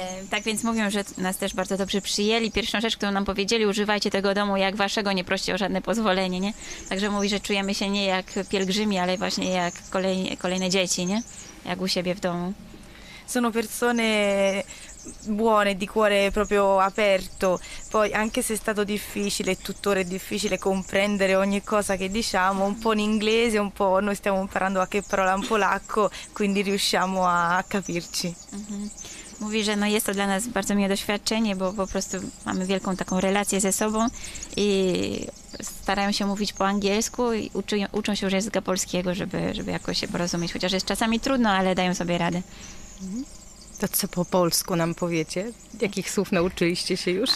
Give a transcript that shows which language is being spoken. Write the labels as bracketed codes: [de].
[pl] Tak więc mówią, że nas też bardzo dobrze przyjęli. Pierwszą rzecz, którą nam powiedzieli: używajcie tego domu jak waszego, nie proście o żadne pozwolenie, nie? Także mówi, że czujemy się nie jak pielgrzymi, ale właśnie jak kolejne dzieci, nie? Jak u siebie w domu. [it] Sono persone buone, di cuore proprio aperto. Poi, anche se è stato difficile, tuttora è difficile comprendere ogni cosa che diciamo, un po' in inglese, un po' noi stiamo imparando qualche parola in polacco, quindi riusciamo a capirci. [pl] Mówi, że no jest to dla nas bardzo miłe doświadczenie, bo po prostu mamy wielką taką relację ze sobą i starają się mówić po angielsku i uczą się już języka polskiego, żeby jakoś się porozumieć. Chociaż jest czasami trudno, ale dają sobie radę. To co po polsku nam powiecie? Jakich słów nauczyliście się już?